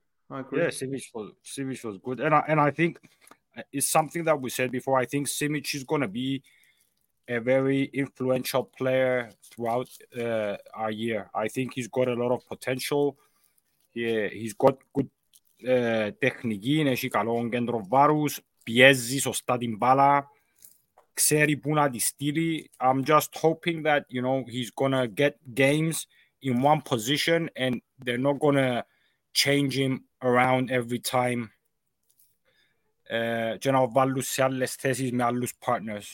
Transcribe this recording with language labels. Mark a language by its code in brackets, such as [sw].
[en] Yeah, Simic was good. And I think it's something that we said before. I think Simic is going to be a very influential player throughout our year. I think he's got a lot of potential. Yeah, he's got good technique. [el] Είναι έχει καλό κέντρο βάρους. Πιέζει σωστά την μπάλα, ξέρει πού να τη στείλει. [en] I'm just hoping that, you know, he's going to get games in one position and they're not going to change him around every time. [el] Και να βάλουν σε άλλες θέσεις με άλλους partners.